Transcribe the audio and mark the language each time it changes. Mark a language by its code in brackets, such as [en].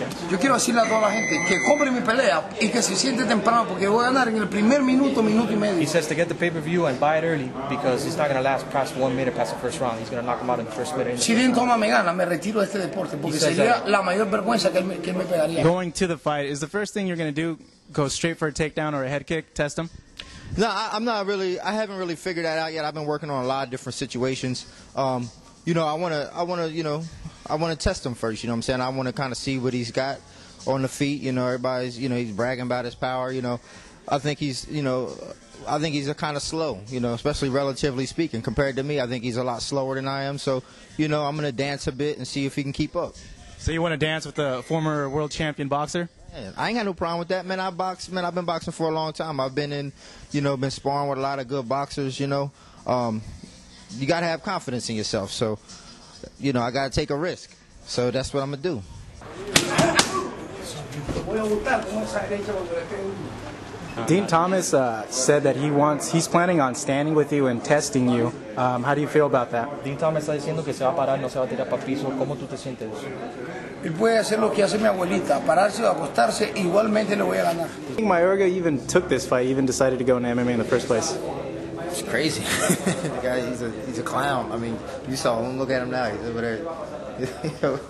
[es] Yo quiero decirle a toda la gente que compre mi pelea y que se siente temprano porque voy a ganar en el primer minuto, minuto y medio. [en] He says to get the pay-per-view and buy it early because he's not going to last past 1 minute past the first round. He's going to knock him out in the first minute. [es] Si Dean Thomas me gana, me retiro de este deporte porque sería la mayor vergüenza que él me pegaría. [en] Going to the fight, is the first thing you're going to do go straight for a takedown or a head kick? Test him? No, I haven't really figured that out yet. I've been working on a lot of different situations. You know, I want to test him first, you know what I'm saying? I want to kind of see what he's got on the feet, you know, everybody's, you know, he's bragging about his power, you know. I think he's kind of slow, you know, especially relatively speaking. Compared to me, I think he's a lot slower than I am. So, you know, I'm going to dance a bit and see if he can keep up. So you want to dance with the former world champion boxer? I ain't got no problem with that, man. I've been boxing for a long time. I've been in, you know, been sparring with a lot of good boxers, you know. You got to have confidence in yourself. So, you know, I got to take a risk. So that's what I'm going to do. Dean Thomas said that he's planning on standing with you and testing you. How do you feel about that? [es] Dean Thomas está diciendo que se va a parar, no se va a tirar para piso. ¿Cómo tú te sientes? Él puede hacer lo que hace mi abuelita, pararse o acostarse, igualmente le voy a ganar. [en] I think Mayorga even took this fight, even decided to go into MMA in the first place. It's crazy. The guy, he's a clown. I mean, you saw him, look at him now. He's over there.